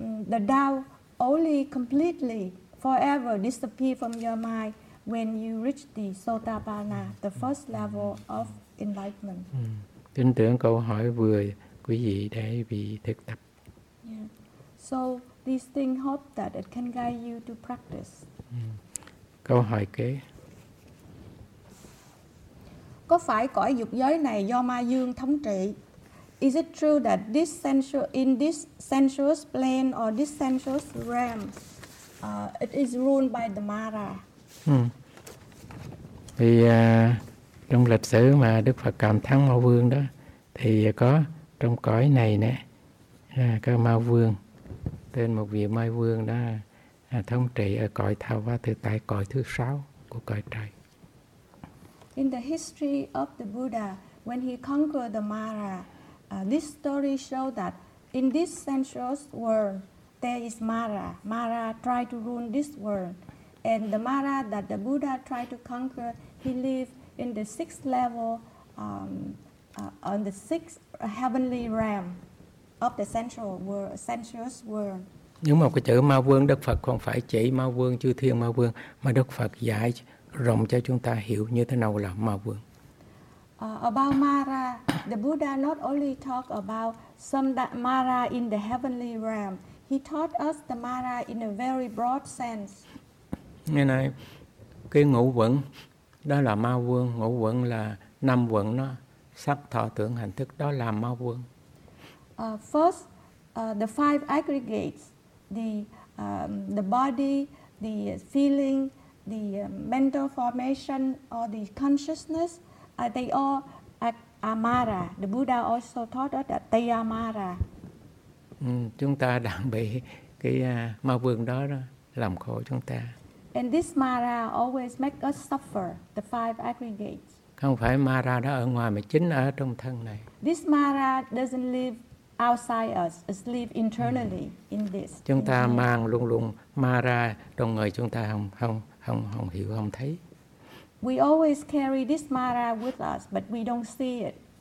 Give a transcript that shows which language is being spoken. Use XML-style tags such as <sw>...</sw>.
<en>The doubt only completely forever disappear from your mind when you reach the Sotapanna, the first level of enlightenment.</en> <vi>Tin tưởng câu hỏi vừa quý vị để vị thực tập.</vi> <en>So this thing hope that it can guide you to practice.</en> <vi>Câu hỏi kế. Có phải cõi dục giới này do ma dương thống trị?</vi> <en>Is it true that this sensual, in this sensuous plane or this sensuous realm, it is ruled by the Mara?</en> <vi>Thì trong lịch sử mà Đức Phật cảm thắng Ma Vương đó, thì có trong cõi này nè, có Ma Vương, tên một vị Ma Vương đó thống trị ở cõi Thao Va Tự Tại, cõi thứ sáu của cõi trời.</vi> <en>In the history of the Buddha, when he conquered the Mara, this story shows that in this sensuous world, there is Mara. Mara tried to ruin this world. And the Mara that the Buddha tried to conquer, he lived in the sixth level, on the sixth heavenly realm of the sensual world, sensuous world.</en> <vi>Nhưng mà cái chữ Ma Vương, Đức Phật không phải chỉ Ma Vương, chư thiên Ma Vương, mà Đức Phật giải rộng cho chúng ta hiểu như thế nào là Ma Vương.</vi> <en>About Mara, the Buddha not only talk about some that Mara in the heavenly realm. He taught us the Mara in a very broad sense.</en> <vi>Nghe này, cái ngũ uẩn đó là Ma Vương. Ngũ uẩn là năm uẩn nó sắc thọ tưởng hành thức, đó là Ma Vương.</vi> <en>First, the five aggregates, the body, the feeling, the mental formation or the consciousness, they all are Mara. The Buddha also taught us that they are Mara.</en> <vi>Chúng ta đang bị cái Ma Vương đó, đó làm khổ chúng ta.</vi> <en>And this Mara always make us suffer, the five aggregates.</en> <vi>Không phải Mara đó ở ngoài mà chính ở trong thân này.</vi> <en>This Mara doesn't live outside us, it live internally in this.</en> <vi>Chúng ta mang luôn luôn Mara trong người chúng ta, không hiểu, không thấy.</vi> <en>We always carry this Mara with us, but we don't see it.</en>